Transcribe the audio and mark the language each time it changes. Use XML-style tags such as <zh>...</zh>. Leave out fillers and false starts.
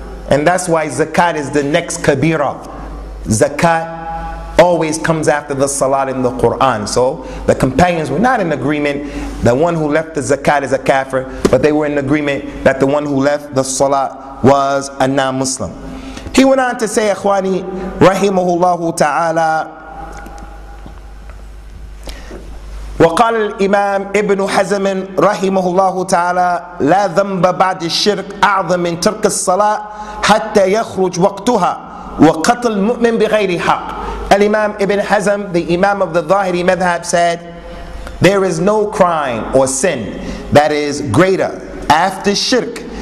<en>And that's why zakat is the next kabira. Zakat always comes after the salat in the Quran. So the companions were not in agreement the one who left the zakat is a kafir, but they were in agreement that the one who left the salat was a non-Muslim. He went on to say, Akhwani, rahimahullahu ta'ala,</en> <ar>وقال الإمام ابن حزم رحمه الله تعالى لا ذنب بعد الشرك أعظم من ترك الصلاة حتى يخرج وقتها وقتل المؤمن بغير حق.</ar> <en>الإمام ابن حزم, the Imam of the Zahiri Madhab, said, there is no crime or sin that is greater after shirk.</en>